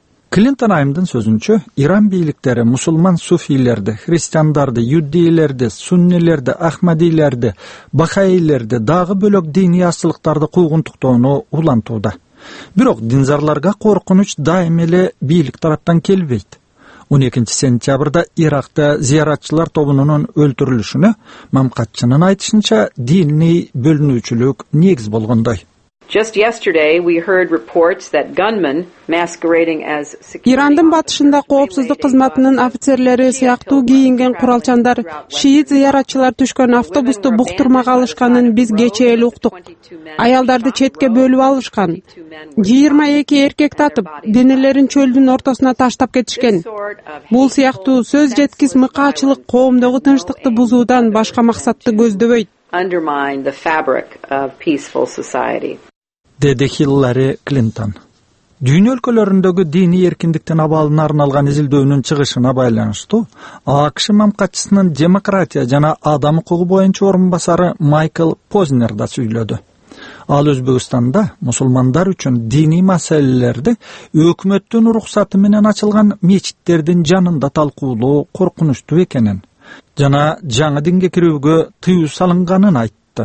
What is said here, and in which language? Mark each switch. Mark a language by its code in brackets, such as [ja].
[ky] Клинтон айымдын сөзүнчө, Иран бийликтери мусулман суфилерди, христиандарды, юддилерди, суннилерди, ахмадилерди, бахаилерди, дагы бөлөк диний азчылыктарды куугунтуктоону улантууда. Бирок динзарларга коркунуч дайым эле бийлик тараптан келбейт. 12 сентябрда Иракта зыяратчылар тобунун өлтүрүлүшүнө мамкатчынын айтышынча диний бөлүнүүчүлүк негиз болгондой. [en] Just yesterday we heard reports that gunmen masquerading as security. [ky] Ирандын батышында коопсуздук кызматынын офицерлери сыяктуу кийинген куралчандар шиит зыяратчылар түшкөн автобусту буктурмага алышканын биз кечээ эле уктук. Аялдарды четке бөлүп алышкан. 22 эркек татып, денелерин чөлдүн ортосуна таштап кетишкен. Бул сыяктуу сөз жеткис мыкаачылык коомдогу тынчтыкты бузуудан башка максатты көздөбөйт. [en] Undermine the fabric of peaceful society. [ky] Деди Хиллари Клинтон. Дүйнө өлкөлөрүндөгү диний эркиндиктин абалына арналган изилдөөнүн чыгышына байланыштуу, АКШ мамкатчысынын демократия жана адам укугу боюнча орун басары Майкл Познер да сүйлөдү. Ал Өзбекстанда мусулмандар үчүн диний маселелерди өкмөттүн уруксаты менен ачылган мечиттердин жанында талкуулоо коркунучтуу экенин жана жаңы динге кирүүгө тыюу салынганын айтты.